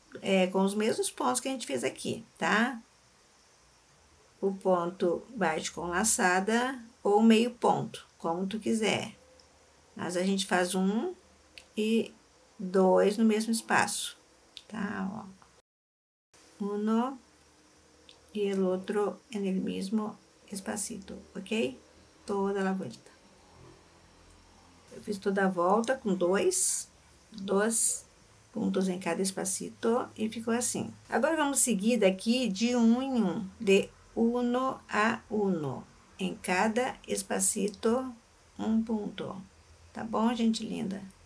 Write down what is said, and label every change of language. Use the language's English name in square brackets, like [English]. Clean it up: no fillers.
[Portuguese] É, com os mesmos pontos que a gente fez aqui, tá? O ponto baixo com laçada ou meio ponto, como tu quiser. Mas a gente faz um e dois no mesmo espaço, tá? Ó. [Spanish] Uno e el otro en el mismo espacito, ok? Toda la vuelta. [Portuguese] Eu fiz toda a volta com dois pontos em cada espacito e ficou assim. Agora vamos seguir daqui de um em um, [Spanish] de uno a uno, [Portuguese] em cada espacito um ponto, tá bom, gente linda?